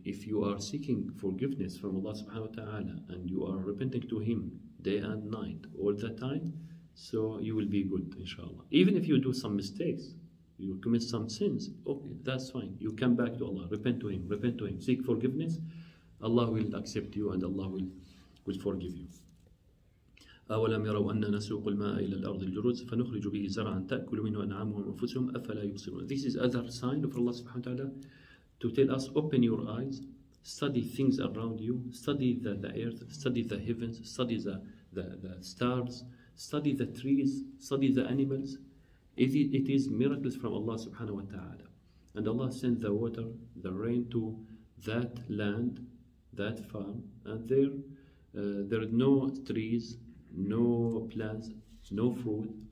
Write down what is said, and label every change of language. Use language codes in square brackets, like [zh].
[en] If you are seeking forgiveness from Allah subhanahu wa ta'ala and you are repenting to him day and night all the time, so you will be good, inshallah. Even if you do some mistakes, you commit some sins, okay, that's fine. You come back to Allah, repent to him, seek forgiveness. Allah will accept you and Allah will forgive you. [ar] أولم يروا أننا نسوق الماء إلى الأرض الجرز فنخرج به زرعا تأكل منه أنعامهم وأنفسهم أفلا يبصرون. [en] This is other sign of Allah [ar] سبحانه وتعالى [en] to tell us open your eyes, study things around you, study the earth, study the heavens, study the stars, study the trees, study the animals. It is miracles from Allah subhanahu wa ta'ala. And Allah sent the water, the rain to that land, that farm, and there are no trees, no plants, no fruit.